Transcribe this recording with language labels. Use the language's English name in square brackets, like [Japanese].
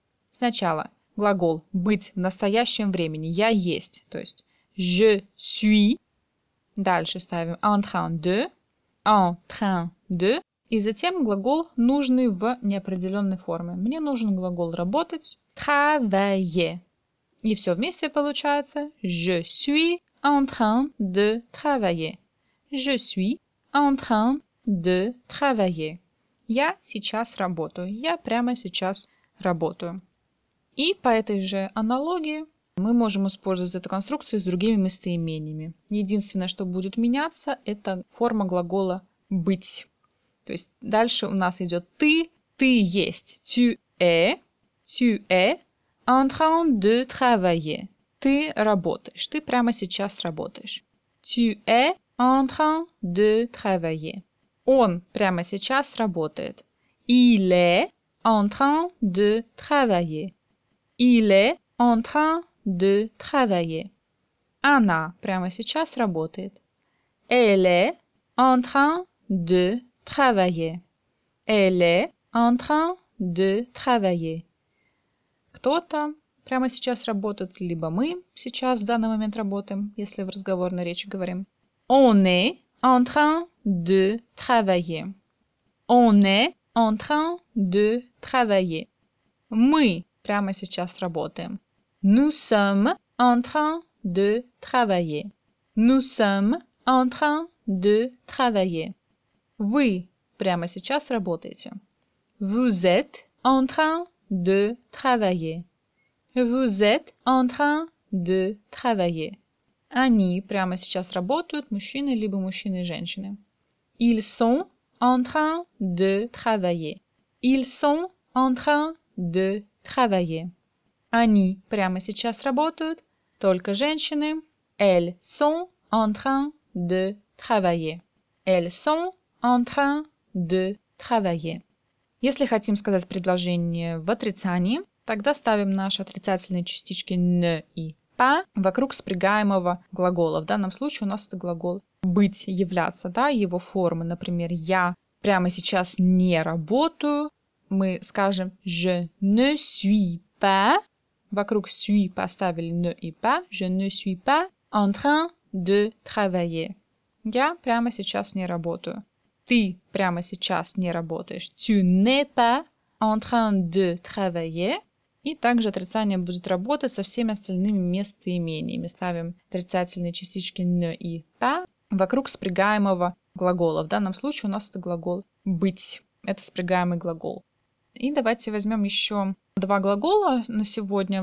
[Russian] Сначала глагол «быть в настоящем времени», «я есть», то есть [French] «je suis», [Russian] дальше ставим [French] «en train de», [Russian] «en train de», и затем глагол, нужный в неопределенной форме. Мне нужен глагол работать. [French] Travailler. [Russian] И все вместе получается. [French] Je suis en train de travailler. Je suis en train de travailler. [Russian] Я сейчас работаю. Я прямо сейчас работаю. И по этой же аналогии мы можем использовать эту конструкцию с другими местоимениями. Единственное, что будет меняться, это форма глагола быть. То есть дальше у нас идет ты есть, [French] tu es en train de travailler, [Russian] ты работаешь, ты прямо сейчас работаешь. [French] Tu es en train de travailler, [Russian] он прямо сейчас работает. [French] Il est en train de travailler, il est en train de travailler, [Russian] она прямо сейчас работает. [French] Elle est en train de travailler. Elle est en train de travailler. [Russian] Кто-то прямо сейчас работает, либо мы сейчас в данный момент работаем, если в разговорной речи говорим. [French] On est en train de travailler. On est en train de travailler. [Russian] Мы прямо сейчас работаем. [French] Nous sommes en train de travailler. Nous sommes en train de travailler. [Russian] Вы прямо сейчас работаете. [French] Vous êtes en train de travailler. Vous êtes en train de travailler. [Russian] Они прямо сейчас работают, мужчины, либо мужчины и женщины. [French] Ils sont en train de travailler. Ils sont en train de travailler. [Russian] Они прямо сейчас работают, только женщины. [French] Elles sont en train de travailler. Elles sont en train de travailler. [Russian] Если хотим сказать предложение в отрицании, тогда ставим наши отрицательные частички ne и pas вокруг спрягаемого глагола. В данном случае у нас это глагол быть, являться, да, его формы. Например, я прямо сейчас не работаю. Мы скажем [French] je ne suis pas. [Russian] Вокруг suis поставили ne и pas. [French] Je ne suis pas en train de travailler. [Russian] Я прямо сейчас не работаю. Ты прямо сейчас не работаешь. [French] Tu n'es pas en train de travailler. [Russian] И также отрицание будет работать со всеми остальными местоимениями. Ставим отрицательные частички ne и pas вокруг спрягаемого глагола. В данном случае у нас это глагол быть. Это спрягаемый глагол. И давайте возьмем еще два глагола на сегодня.